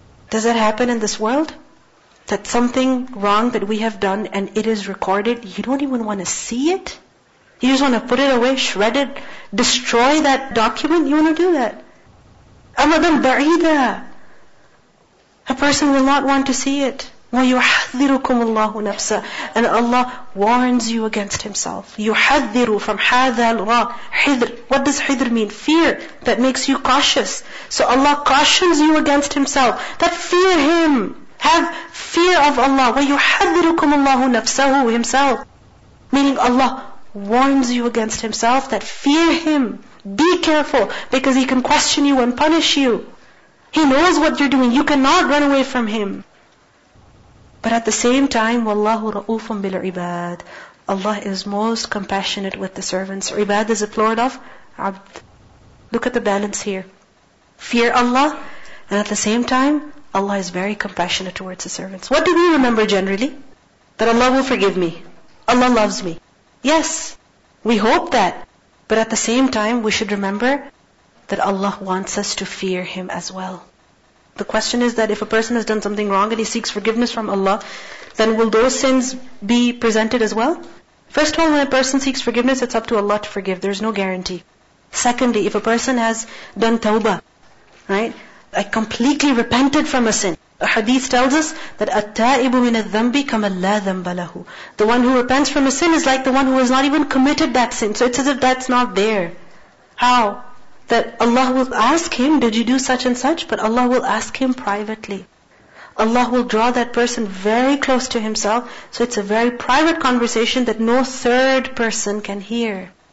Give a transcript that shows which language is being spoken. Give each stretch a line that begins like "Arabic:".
English: Does that happen in this world? That something wrong that we have done and it is recorded, you don't even want to see it? You just want to put it away, shred it, destroy that document? You want to do that?
Arabic: أَمَدًا بَعِيدًا.
English: A person will not want to see it.
Arabic: وَيُحَذِّرُكُمُ اللَّهُ نَفْسَ,
English: and Allah warns you against himself.
Arabic: يُحَذِّرُ
English: from
Arabic: هَذَا الْرَى حِذْر.
English: What does حِذْر mean? Fear. That makes you cautious. So Allah cautions you against himself. That fear him. Have fear of Allah.
Arabic: وَيُحَذِّرُكُمُ اللَّهُ نَفْسَهُ
English: himself. Meaning Allah warns you against himself. That fear him. Be careful. Because he can question you and punish you. He knows what you're doing. You cannot run away from him. But at the same time,
Arabic: وَاللَّهُ رَؤُوفٌ بِالْعِبَادِ,
English: Allah is most compassionate with the servants. Ibad is a plural of abd. Look at the balance here. Fear Allah, and at the same time, Allah is very compassionate towards the servants. What do we remember generally? That Allah will forgive me. Allah loves me. Yes, we hope that. But at the same time, we should remember that Allah wants us to fear Him as well. The question is that if a person has done something wrong and he seeks forgiveness from Allah, then will those sins be presented as well? First of all, when a person seeks forgiveness, it's up to Allah to forgive. There's no guarantee. Secondly, if a person has done tawbah, right? I completely repented from a sin. A hadith tells us that
Arabic: التائب من الذنب كما لا ذنب له.
English: The one who repents from a sin is like the one who has not even committed that sin. So it's as if that's not there. How? That Allah will ask him, did you do such and such? But Allah will ask him privately. Allah will draw that person very close to himself. So it's a very private conversation that no third person can hear.